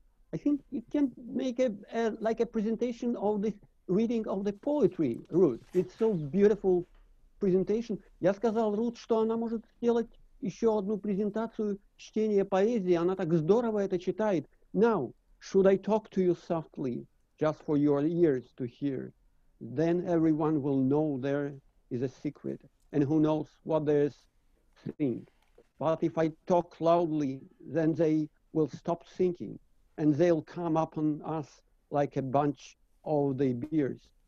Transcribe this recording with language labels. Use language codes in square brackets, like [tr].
[en] I think you can make a presentation of the reading of the poetry, Ruth. It's so beautiful presentation. [ru] Я сказал Рут, что она может сделать еще одну презентацию чтения поэзии. Она так здорово это читает. [en] Now, should I talk to you softly? Just for your ears to hear, then everyone will know there is a secret, and who knows what they think. But if I talk loudly, then they will stop thinking, and they'll come upon us like a bunch of the bears.